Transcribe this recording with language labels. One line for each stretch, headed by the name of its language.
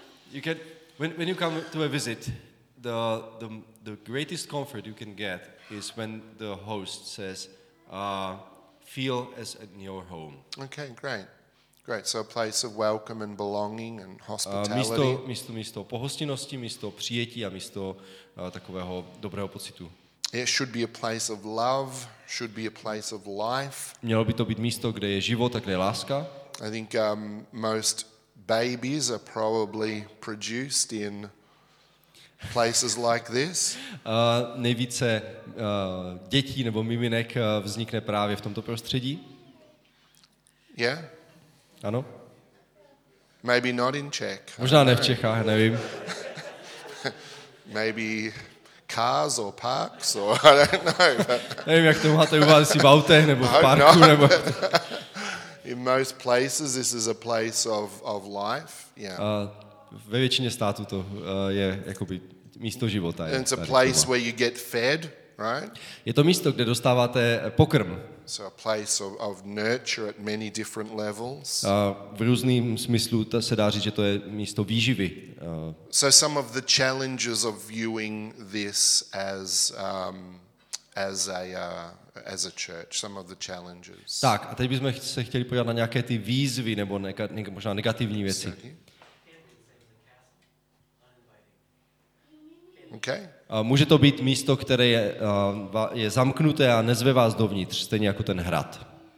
English: You can when you come to a visit, the greatest comfort you can get is when the host says, feel as in your home. Okay, great, great. So a place of welcome and belonging and hospitality.
Czech: Místo pohostinnosti, místo přijetí a místo takového dobrého pocitu.
English: It should be a place of love. Should be a place of life.
Czech: Mělo by to být místo, kde je život a kde je láska.
English: I think most babies are probably produced in places like this.
Czech: Nejvíce dětí nebo miminek vznikne právě v tomto prostředí.
English: Yeah.
Czech: Ano.
English: Maybe not in Czech.
Czech: Možná ne v Čechách, nevím.
English: Maybe cars or parks or I don't know.
Czech: Nevím, jak to máte u vás, jestli v autech nebo v parku nebo.
English: In most places, this is a place of life. Yeah.
Czech: Ve většině států to je jakoby místo života.
English: And it's a place where you get fed, right?
Czech: Je to místo, kde dostáváte pokrm.
English: So a place of nurture at many different levels.
Czech: V různým smyslu to se dá říct, že to je místo výživy.
English: So some of the challenges of viewing this as a church, some of the challenges.
Czech: Tak, a teď bychom se chtěli podívat na nějaké ty výzvy nebo možná negativní věci.
English: Okay.
Czech: Může to být místo, které je zamknuté a nezve vás dovnitř, stejně jako ten hrad.